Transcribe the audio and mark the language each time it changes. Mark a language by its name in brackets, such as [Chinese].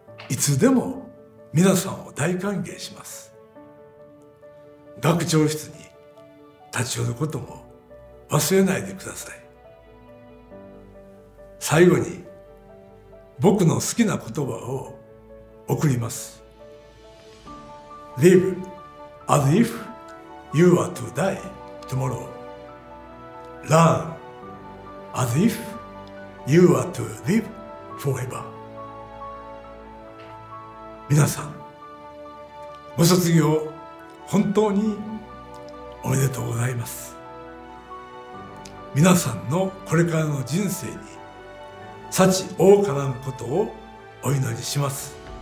[Japanese] いつでも皆さんを大歓迎します。学長室に立ち寄ることも忘れないでください。最後に僕の好きな言葉を送ります。 [English] Live as if you are to die tomorrow. Learn as if you are to live forever. [Japanese] 皆さん、ご卒業本当におめでとうございます。皆さんのこれからの人生に幸多からぬことをお祈りします。